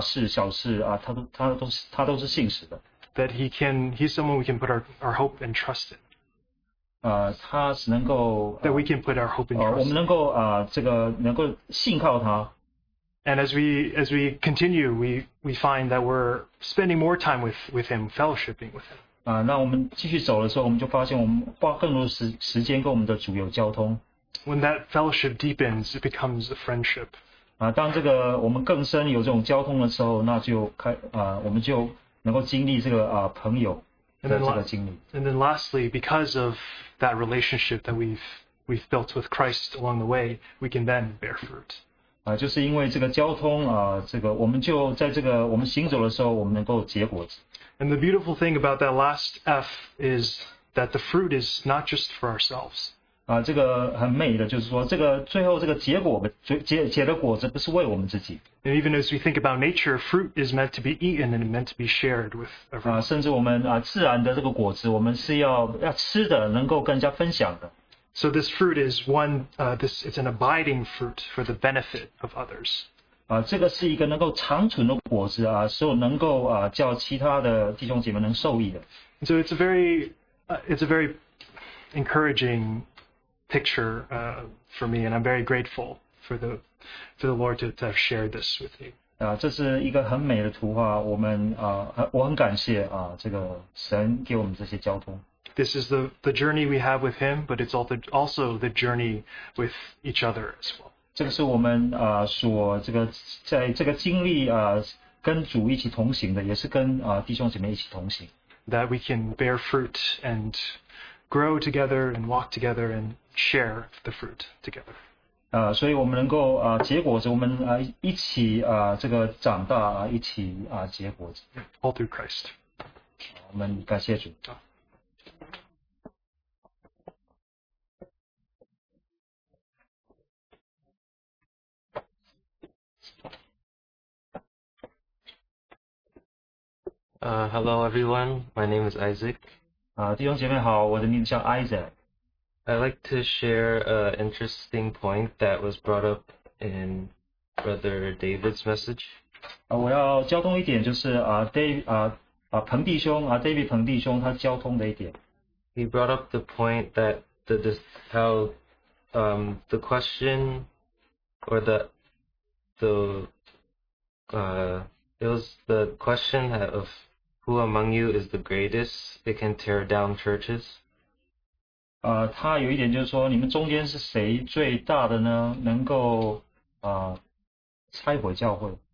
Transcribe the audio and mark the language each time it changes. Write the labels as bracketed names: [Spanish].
[Chinese] 在我们的生命里面，我们的主在大事小事，他都是信实的。 [English] That he's someone we can put our hope and trust in. That we can put our hope in Christ. [Chinese] 我们能够信靠他。 [English] And as we continue, we find that we're spending more time with him, fellowshipping with him. [Chinese] 那我们继续走的时候，我们就发现我们花更多时间跟我们的主有交通。 [English] When that fellowship deepens, it becomes a friendship. [Chinese] 当我们更深有这种交通的时候，那就我们就能够经历这个朋友。 [English] And then lastly, because of that relationship that we've built with Christ along the way, we can then bear fruit. [Chinese] 就是因为这个交通，我们行走的时候，我们能够结果子。 [English] And the beautiful thing about that last F is that the fruit is not just for ourselves. [Chinese] 这个很美的，就是说这个最后这个结果，结的果子不是为我们自己。 [English] And even as we think about nature, fruit is meant to be eaten and meant to be shared with everyone. [Chinese] 甚至我们自然的这个果子，我们是要吃的，能够跟人家分享的。 [English] So this fruit is one, this it's an abiding fruit for the benefit of others. [Chinese] 这个是一个能够长存的果子啊，所以能够叫其他的弟兄姐妹能受益的。 [English] So it's a very, encouraging. Picture for me, and I'm very grateful for the Lord to have shared this with me. [Chinese] 这是一个很美的图画。我们我很感谢这个神给我们这些交通。 [English] This is the journey we have with Him, but it's also the journey with each other as well. [Chinese] 这个是我们所这个在这个经历跟主一起同行的，也是跟弟兄姐妹一起同行。 [English] That we can bear fruit and grow together and walk together and share the fruit together. [Chinese] 所以我们能够结果子，我们一起这个长大，一起结果子。 [English] All through Christ. [Chinese] 我们感谢主。 [English] Hello everyone. My name is Isaac. [Chinese] 弟兄姐妹好，我的名字叫 Isaac。 [English] I'd like to share an interesting point that was brought up in Brother David's message. [Chinese] 我要交通一点，就是彭弟兄David 彭弟兄他交通的一点。 [English] He brought up the point that the question or it was the question of who among you is the greatest. It can tear down churches. [Chinese] 他有一点就是说你们中间是谁最大的呢能够拆毁教会。